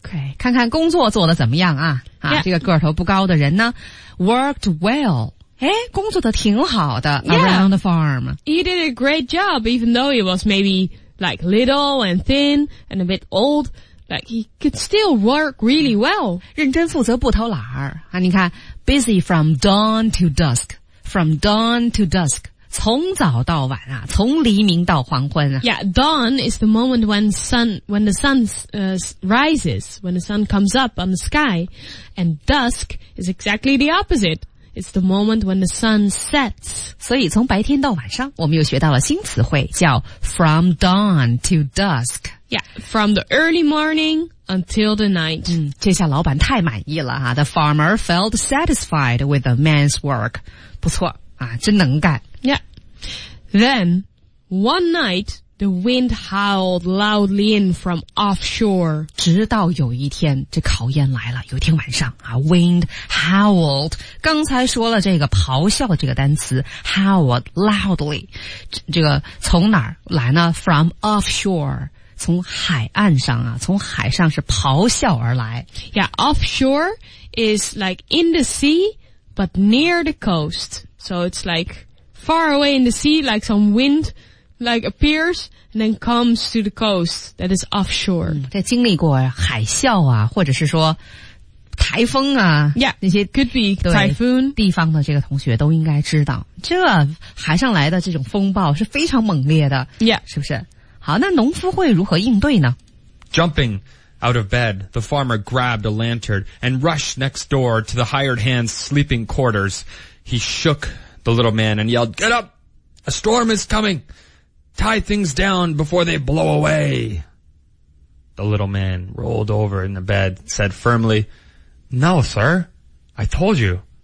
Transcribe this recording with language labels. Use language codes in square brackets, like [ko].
[zh] Okay, 看看工作做得怎么样啊。啊 [en] yeah. [zh] 这个个头不高的人呢 , [en] worked well. [zh] 诶工作得挺好的 [en] around the farm. He did a great job, even though he was maybe like little and thin and a bit old, like he could still work really well. [zh] 认真负责不偷懒啊，你看 [en] ,busy from dawn to dusk, from dawn to dusk. [zh] 从早到晚啊，从黎明到黄昏啊。 [en] Yeah, dawn is the moment when the sun rises, when the sun comes up on the sky. And dusk is exactly the opposite. It's the moment when the sun sets. [zh] 所以从白天到晚上，我们又学到了新词汇，叫 [en] from dawn to dusk. Yeah, from the early morning until the night. [zh] 嗯，这下老板太满意了啊。 [en] The farmer felt satisfied with the man's work. [zh] 不错啊，真能干。 [en] Yeah. Then, one night, the wind howled loudly in from offshore. [zh] 直到有一天，这考验来了。有一天晚上啊 , [en] wind howled. [zh] 刚才说了这个咆哮这个单词 , [en] howled loudly. [zh] 这个从哪儿来呢 ? [en] from offshore. [zh] 从海岸上啊，从海上是咆哮而来。 [en] Yeah, offshore is like in the sea, but near the coast. So it's like...far away in the sea, like some wind like appears and then comes to the coast that is offshore. [zh] 这经历过海啸啊，或者是说台风啊， [en] yeah, [zh] 那些 [en] could be typhoon [zh] 地方的这个同学都应该知道，这海上来的这种风暴是非常猛烈的， [en] yeah. [zh] 是不是？好，那农夫会如何应对呢？ [en] Jumping out of bed, the farmer grabbed a lantern and rushed next door to the hired hand's sleeping quarters. He shook the little man and yelled, "Get up! A storm is coming! Tie things down before they blow away!" The little man rolled over in the bed, said firmly,"No, sir. I told you.